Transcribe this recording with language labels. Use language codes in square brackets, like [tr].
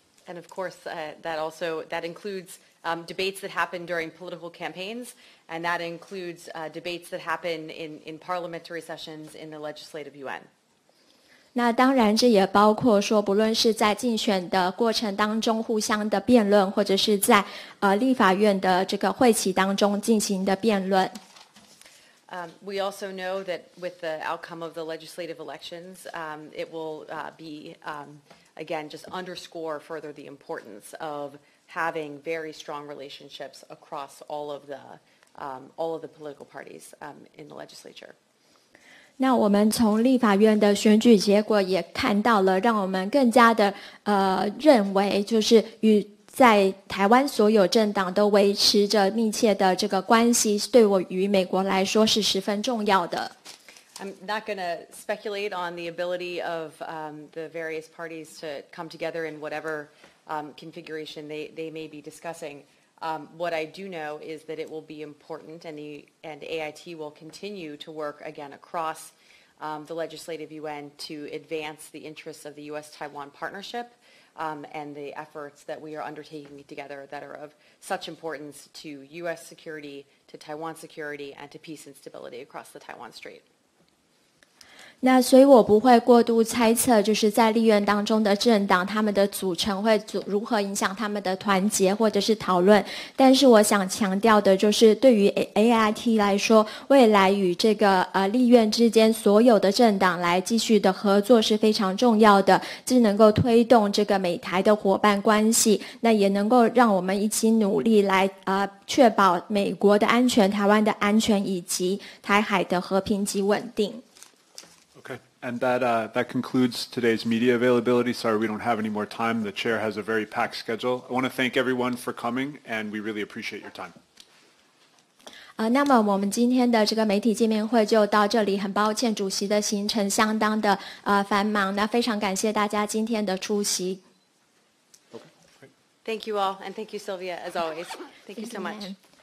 [en] And of course, that includes debates that happen during political campaigns, and that includes debates that happen in parliamentary sessions in the legislative UN. [zh] 那当然，这也包括说，不论是在竞选的过程当中互相的辩论，或者是在立法院的这个会期当中进行的辩论。 [en] We also know that with the outcome of the legislative elections, it will be. Again, just underscore further the importance of having very strong relationships across all of the political parties in the legislature. [zh] 那我们从立法院的选举结果也看到了，让我们更加的认为，就是与在台湾所有政党都维持着密切的这个关系，对我与美国来说是十分重要的。 [en] I'm not going to speculate on the ability of the various parties to come together in whatever configuration they may be discussing. What I do know is that it will be important, and AIT will continue to work again across the legislative UN to advance the interests of the U.S.-Taiwan partnership and the efforts that we are undertaking together that are of such importance to U.S. security, to Taiwan security, and to peace and stability across the Taiwan Strait. [zh] 那所以我不会过度猜测，就是在立院当中的政党他们的组成会如何影响他们的团结或者是讨论，但是我想强调的就是对于 AIT 来说，未来与这个立院之间所有的政党来继续的合作是非常重要的，既能够推动这个美台的伙伴关系，那也能够让我们一起努力来确保美国的安全、台湾的安全以及台海的和平及稳定。 [en] And that concludes today's media availability. Sorry, we don't have any more time. The chair has a very packed schedule. I want to thank everyone for coming, and we really appreciate your time. [zh] 那么我们今天的这个媒体见面会就到这里。很抱歉，主席的行程相当的繁忙。那非常感谢大家今天的出席。 [en] Okay. Thank you all, and thank you, Sylvia, as always. Thank you so much.